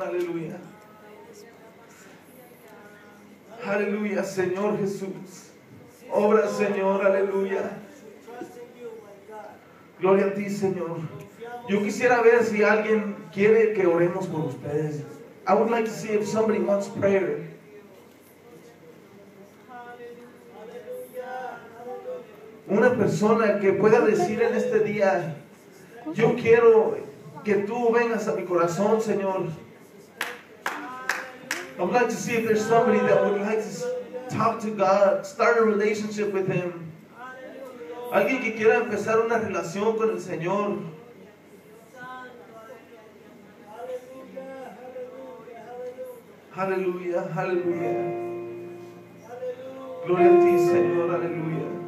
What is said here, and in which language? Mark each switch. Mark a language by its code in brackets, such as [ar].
[es] Aleluya. Aleluya, Señor Jesús. Obra, Señor. Aleluya. Gloria a ti, Señor. Yo quisiera ver si alguien quiere que oremos por ustedes. [en] I would like to see if somebody wants prayer. [es] Una persona que pueda decir en este día, yo quiero que tú vengas a mi corazón, Señor. [en] I'd like to see if there's somebody that would like to talk to God, start a relationship with Him. [es] Alguien que quiera empezar una relación con el Señor. Aleluya, aleluya. Gloria a ti, Señor, aleluya.